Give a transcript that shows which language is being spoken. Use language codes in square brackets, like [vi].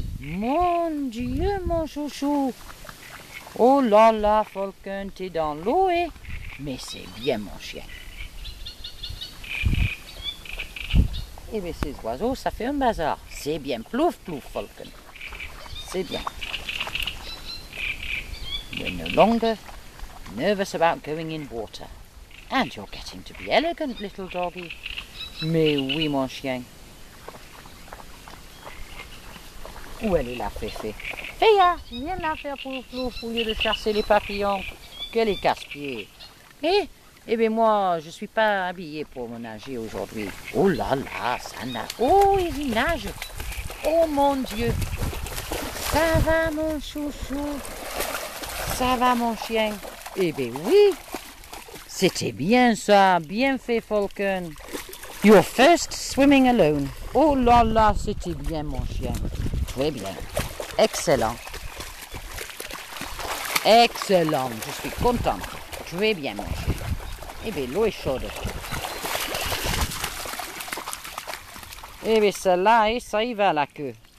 [fr] Mon Dieu, mon chouchou. Oh là là, falcon, t'es dans l'eau, eh? Mais c'est bien, mon chien. Eh bien, ces oiseaux, ça fait un bazar. C'est bien, plouf, plouf, falcon. C'est bien. [en] You're no longer nervous about going in water. And you're getting to be elegant, little doggy. [fr] Mais oui, mon chien. Où elle est la féfé? Féa, viens la faire pour plouf, au lieu de chasser les papillons. Quel est casse-pied. Eh bien, moi, je suis pas habillée pour me nager aujourd'hui. Oh là là, ça nage. Oh, il nage. Oh mon Dieu. Ça va, mon chouchou. Ça va, mon chien. Eh bien, oui. C'était bien ça. Bien fait, Falcon. [en] Your first swimming alone. [fr] Oh là là, c'était bien, mon chien. Très bien. Excellent. Excellent. Je suis contente. Très bien, mon chien. Eh bien, l'eau est chaude. Eh bien, celle-là, ça y va, la queue.